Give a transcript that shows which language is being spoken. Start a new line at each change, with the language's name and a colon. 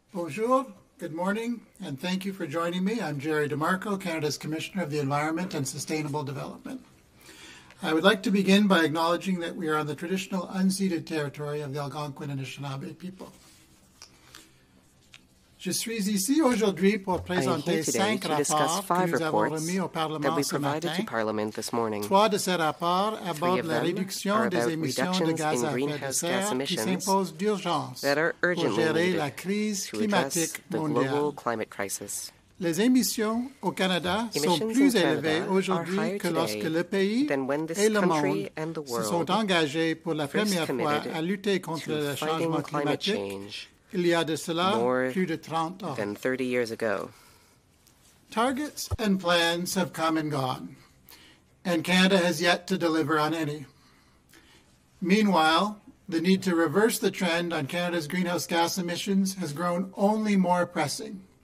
French: Bonjour,
English: good morning, and thank you for joining me. I'm Jerry DeMarco, Canada's Commissioner of the Environment and Sustainable Development. I would like to begin by acknowledging that we are on the traditional unceded territory of the Algonquin Anishinaabe people.
French: Je suis ici aujourd'hui pour présenter cinq rapports que nous avons remis au Parlement ce matin.
English: That we provided to Parliament this morning.
French: Trois de ces rapports abordent la réduction des émissions de gaz à effet de serre qui s'impose d'urgence pour gérer la crise climatique mondiale. Les émissions au Canada sont plus élevées aujourd'hui que lorsque le pays et le monde se sont engagés pour la première fois à lutter contre le changement climatique. Il y a de cela plus de 30 ans. Than 30 years ago.
English: Targets and plans have come and gone, and Canada has yet to deliver on any. Meanwhile, the need to reverse the trend on Canada's greenhouse gas emissions has grown only more pressing.